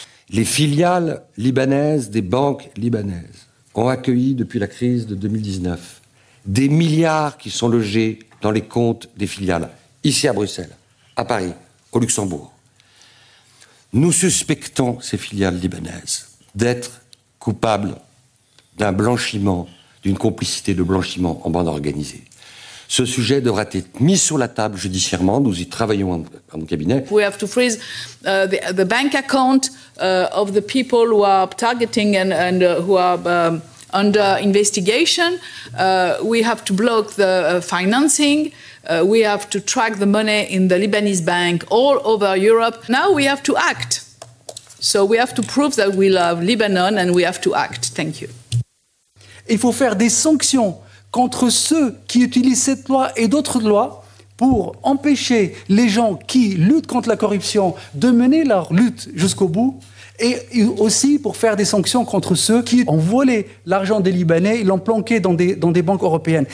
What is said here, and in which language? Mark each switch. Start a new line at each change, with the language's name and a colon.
French: Les filiales libanaises des banques libanaises ont accueilli depuis la crise de 2019 des milliards qui sont logés dans les comptes des filiales, ici à Bruxelles, à Paris, au Luxembourg. Nous suspectons ces filiales libanaises d'être coupables d'un blanchiment, d'une complicité de blanchiment en bande organisée. Ce sujet devra être mis sur la table judiciairement. Nous y travaillons en cabinet.
English: We have to freeze the bank account of the people who are targeting and who are under investigation. We have to block the financing. We have to track the money in the Lebanese bank all over Europe. Now we have to act. So we have to prove that we love Lebanon and we have to act. Thank you.
French: Il faut faire des sanctions contre ceux qui utilisent cette loi et d'autres lois pour empêcher les gens qui luttent contre la corruption de mener leur lutte jusqu'au bout, et aussi pour faire des sanctions contre ceux qui ont volé l'argent des Libanais et l'ont planqué dans des banques européennes.